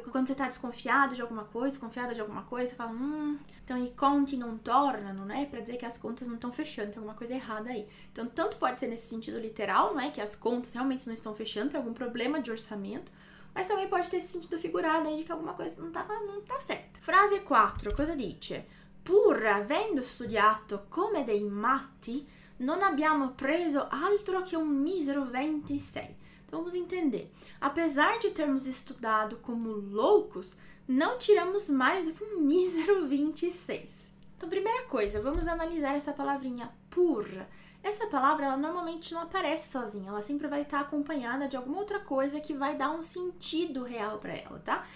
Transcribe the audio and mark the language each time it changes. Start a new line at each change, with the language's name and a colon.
Portuguese: Quando você tá desconfiado de alguma coisa, desconfiada de alguma coisa, você fala, então,
Italian: i conti non tornano,
Portuguese: né? Para dizer que as contas não estão fechando, tem alguma coisa errada aí. Então, tanto pode ser nesse sentido literal, não é? Que as contas realmente não estão fechando, tem algum problema de orçamento. Mas também pode ter sentido figurado, né, de que alguma coisa não tá certa.
Italian: Frase 4, cosa dice? Pur avendo studiato come dei matti, non abbiamo preso altro che un misero 26.
Portuguese: Então vamos entender. Apesar de termos estudado como loucos, não tiramos mais do que um mísero 26. Então, primeira coisa, vamos analisar essa palavrinha pur. Essa palavra, ela normalmente não aparece sozinha, ela sempre vai estar acompanhada de alguma outra coisa que vai dar um sentido real para ela, tá?